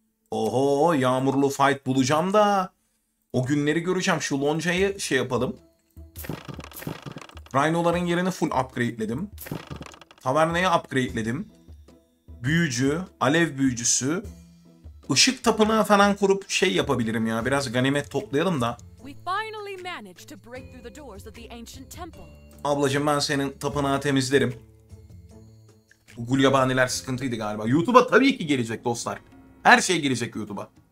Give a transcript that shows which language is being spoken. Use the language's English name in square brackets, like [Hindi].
[Turkish] Oho, yağmurlu fight bulacağım da. O günleri göreceğim. Şu loncayı şey yapalım. Rhino'ların yerini full upgrade'ledim. Taverna'yı upgrade'ledim. Büyücü, alev büyücüsü. Işık tapınağı falan kurup şey yapabilirim ya. Biraz ganimet toplayalım da. [English] We finally managed to break through the doors of the ancient temple. [Turkish] Ablacığım ben senin tapınağı temizlerim. Bu gulyabaniler sıkıntıydı galiba. YouTube'a tabii ki gelecek dostlar. Her şey gelecek YouTube'a.